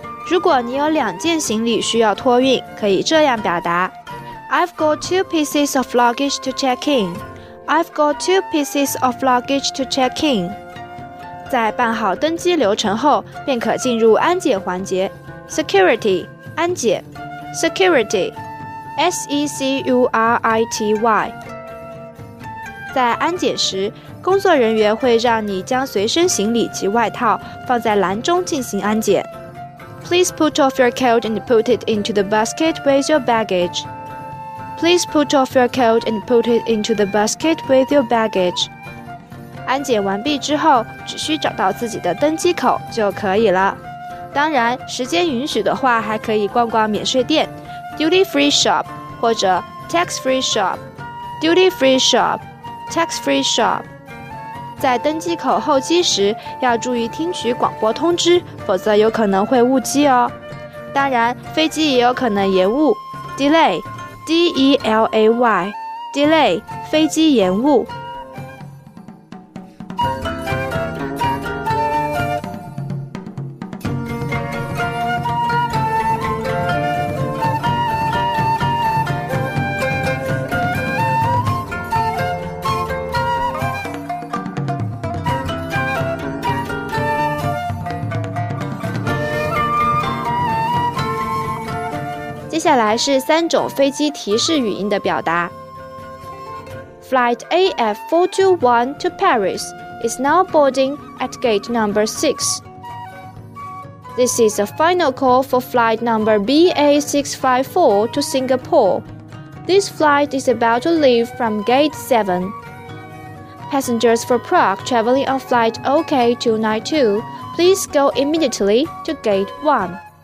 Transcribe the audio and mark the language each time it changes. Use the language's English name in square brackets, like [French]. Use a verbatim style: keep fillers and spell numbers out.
[Chinese] 如果你有两件行李需要托运，可以这样表达 ： I've got two pieces of luggage to check in. [English] I've got two pieces of luggage to check in. [Chinese] 在办好登机流程后，便可进入安检环节。 Security 安检 Security S E C U R I T Y 在安检时，工作人员会让你将随身行李及外套放在篮中进行安检。 [English] Please put off your coat and put it into the basket with your baggage. Please put off your coat and put it into the basket with your baggage. [Chinese] 安检完毕之后，只需找到自己的登机口就可以了。当然，时间允许的话，还可以逛逛免税店 Duty-free shop 或者 Tax-free shop Duty-free shop Tax-free shop 在登机口候机时，要注意听取广播通知，否则有可能会误机哦。当然，飞机也有可能延误 Delay D E L A Y Delay 飞机延误。接下来是三种飞机提示语音的表达。 [English] Flight A F four two one to Paris is now boarding at gate number six. This is a final call for flight number B A six five four to Singapore. This flight is about to leave from gate seven. Passengers for Prague traveling on flight O K two nine two, please go immediately to gate one.